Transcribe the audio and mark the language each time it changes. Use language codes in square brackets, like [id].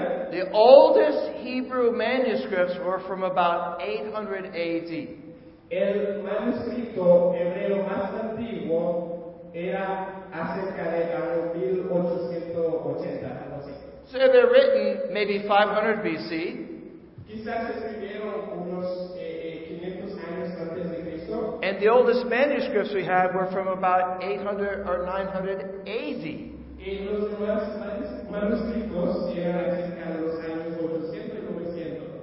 [en] the oldest Hebrew manuscripts were from about 800 AD. [es] El manuscrito hebreo más antiguo era acerca de 1880. [en] So they're written maybe 500 BC. [es] Quizás escribieron unos 500 años antes de Cristo. [en] And the oldest manuscripts we have were from about 800 or 900 AD. [es] Y los nuevos manuscritos eran acerca de los años 800 y 900.